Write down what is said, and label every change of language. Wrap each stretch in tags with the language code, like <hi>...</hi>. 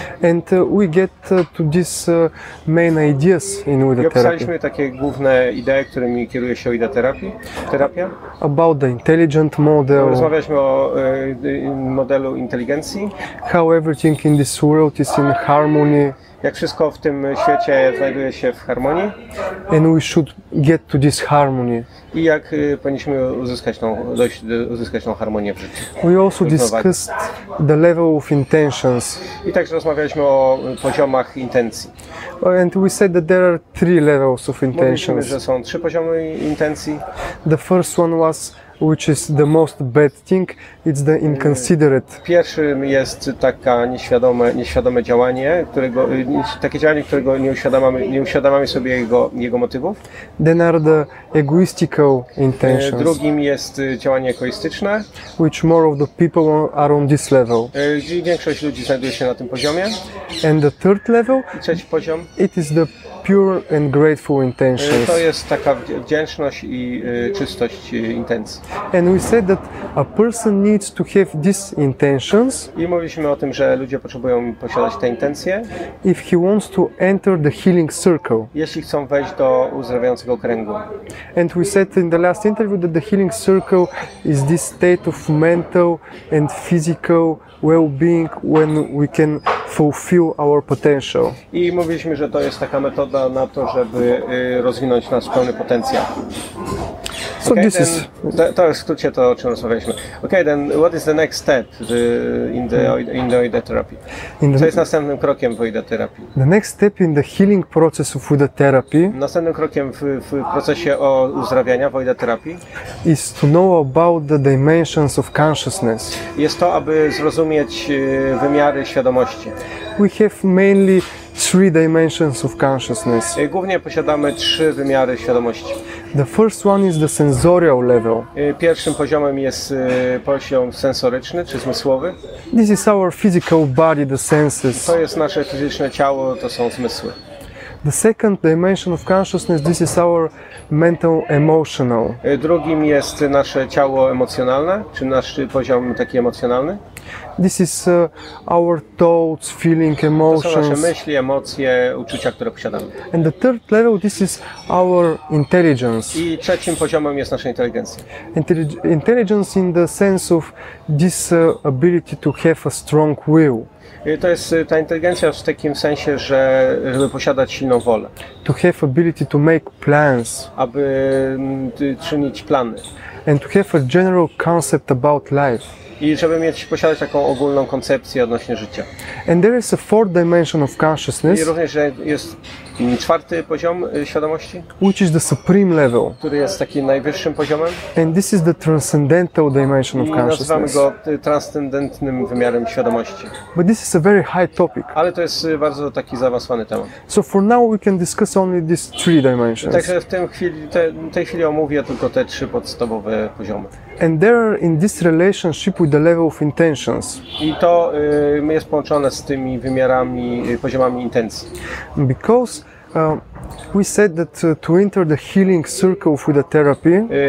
<en>And we get to these main ideas in Oida Therapy.</en> <pl>Opisaliśmy takie główne idee, którymi kieruje się Oida Therapy. Terapia.</pl> <en>About the intelligent model.</en> <pl>Rozmawialiśmy o modelu inteligencji.</pl> <en>How everything in this world is in harmony.</en> <pl>Jak wszystko w tym świecie znajduje się w harmonii.</pl> <en>And we should get to this harmony.</en> <pl>I jak powinniśmy uzyskać tą harmonię w życiu.</pl> <en>We also discussed the level of intentions.</en> <pl>I także rozmawialiśmy o poziomach intencji.</pl> <en>And we said that there are three levels of intentions.</en> <pl>Mówiliśmy, że są trzy poziomy intencji.</pl> <en>The first one was, which is the most bad thing, it's the inconsiderate.</en> <pl>Pierwszym jest taka nieświadome działanie, którego nie uświadamiamy sobie jego motywów.</pl> <en>Then are the egoistical intentions.</en> <pl>Drugim jest działanie egoistyczne.</pl> <en>Which more of the people are on this level.</en> <pl>Większość ludzi znajduje się na tym poziomie.</pl> <en>And the third level,</en> <pl>trzeci poziom,</pl> <en>it is the pure and grateful intentions.</en> <pl>To jest taka wdzięczność i czystość intencji.</pl> <en>And we said that a person needs to have these intentions.</en> <pl>I mówiliśmy o tym, że ludzie potrzebują posiadać te intencje.</pl> <en>If he wants to enter the healing circle.</en> <pl>Jeśli chcą wejść do uzdrawiającego kręgu.</pl> <en>And we said in the last interview that the healing circle is this state of mental and physical well-being when we can fulfill our potential.</en> <pl>I mówiliśmy, że to jest taka metoda na to, żeby rozwinąć nasz pełny potencjał.</pl> <en>So okay, this then, is</en> <pl>to jest w skrócie to, o czym rozmawialiśmy.</pl> <en>Okay, then what is the next step in the Oida Therapy?</en> <pl>Co jest następnym krokiem w Oida Therapy?</pl> <en>The next step in the healing process of Oida Therapy.</en> <pl>Następnym krokiem w procesie uzdrawiania w Oida Therapy</pl> <en>is to know about the dimensions of consciousness.</en> <pl>Jest to, aby zrozumieć wymiary świadomości.</pl> <en>We have mainly three dimensions of consciousness.</en> <pl>Głównie posiadamy trzy wymiary świadomości.</pl> <en>The first one is the sensorial level.</en> <pl>Pierwszym poziomem jest poziom sensoryczny, czy zmysłowy.</pl> <en>This is our physical body, the senses.</en> <pl>To jest nasze fizyczne ciało, to są zmysły.</pl> <en>The second dimension of consciousness, this is our mental, emotional.</en> <pl>Drugim jest nasze ciało emocjonalne, czy nasz poziom taki emocjonalny.</pl> <en>This is our thoughts, feeling, emotions.</en> <pl>To są nasze myśli, emocje, uczucia, które posiadamy.</pl> <en>And the third level, this is our intelligence.</en> <pl>I trzecim poziomem jest nasza inteligencja.</pl> <en>Intelligence in the sense of this ability to have a strong will.</en> <pl>To jest ta inteligencja w takim sensie, że żeby posiadać silną wolę.</pl> <en>To have ability to make plans.</en> <pl>Aby czynić plany.</pl> <en>And to have a general concept about life.</en> <pl>I żeby posiadać taką ogólną koncepcję odnośnie życia.</pl> <en>And there is a fourth dimension of consciousness.</en> <pl>I również jest czwarty poziom świadomości.</pl> <en>Which is the supreme level.</en> <pl>Który jest takim najwyższym poziomem.</pl> <en>And this is the transcendental dimension of consciousness.</en> <pl>I nazywamy go transcendentnym wymiarem świadomości.</pl> <en>But this is a very high topic.</en> <pl>Ale to jest bardzo taki zaawansowany temat.</pl> <en>So for now we can discuss only these three dimensions.</en> <pl>Także w tej chwili omówię tylko te trzy podstawowe poziomy.</pl> <en>And there in this relationship with the level of intentions.</en> <pl>I to jest połączone z tymi wymiarami, poziomami intencji.</pl> <en>Because we said that to enter the healing circle with the therapy.</en>